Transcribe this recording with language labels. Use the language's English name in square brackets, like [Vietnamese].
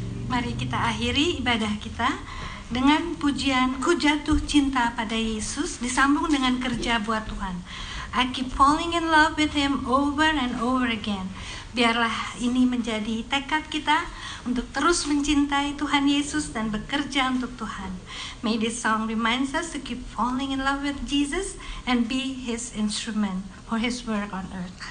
[Indonesian] Mari kita akhiri ibadah kita dengan pujian Ku Jatuh Cinta Pada Yesus, disambung dengan Kerja Buat Tuhan. [English] I keep falling in love with him over and over again. [Indonesian] Biarlah ini menjadi tekad kita untuk terus mencintai Tuhan Yesus dan bekerja untuk Tuhan. [English] May this song reminds us to keep falling in love with Jesus and be his instrument for his work on earth.